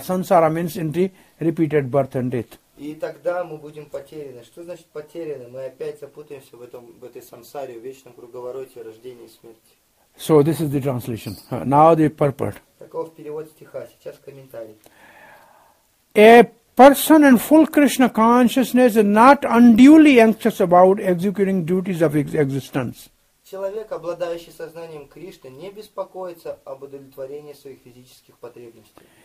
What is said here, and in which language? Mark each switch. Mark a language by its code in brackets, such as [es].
[en] Samsara means in the repeated birth and death. [ru] И тогда мы будем потеряны. Что значит потеряны? Мы опять запутаемся в этой самсаре, в вечном круговороте рождения и смерти. [en] So this is the translation. Now the purport. [ru] Таков перевод стиха. Сейчас комментарий. [en] A person in full Krishna consciousness is not unduly anxious about executing duties of existence. [ru] Человек, обладающий сознанием Кришны, не беспокоится об удовлетворении своих физических потребностей.